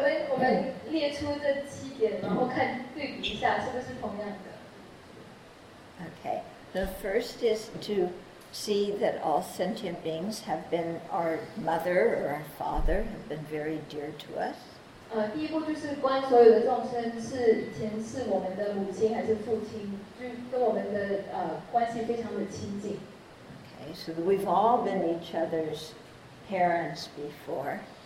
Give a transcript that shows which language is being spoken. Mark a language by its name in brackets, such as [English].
[Chinese] 我们列出这七点，然后看对比一下，是不是同样的? [English] Okay. The first is to... see that all sentient beings have been our mother or our father, have been very dear to us. [Chinese] 第一步就是观所有的众生是以前是我们的母亲还是父亲，就跟我们的关系非常的亲近。 [English] Okay, so we've all been each other's parents before.